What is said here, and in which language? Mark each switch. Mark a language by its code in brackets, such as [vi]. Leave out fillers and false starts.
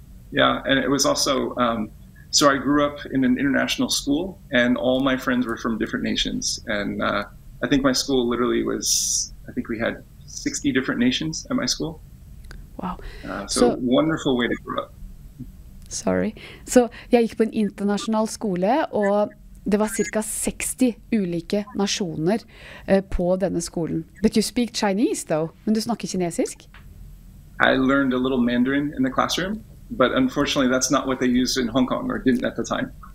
[en] Ja, yeah, and it was also... So I grew up in an international school and all my friends were from different nations. And I think my school literally was, I think we had 60 different nations at my school. Wow. So wonderful way to grow up. Sorry. [no] So jeg gikk på en internasjonal skole og det var cirka 60 ulike nasjoner på denne skolen. [en] But you speak Chinese though, [no] men du snakker kinesisk? [en] I learned a little Mandarin in the classroom. But unfortunately, that's not what they used in Hong Kong, or didn't at the time.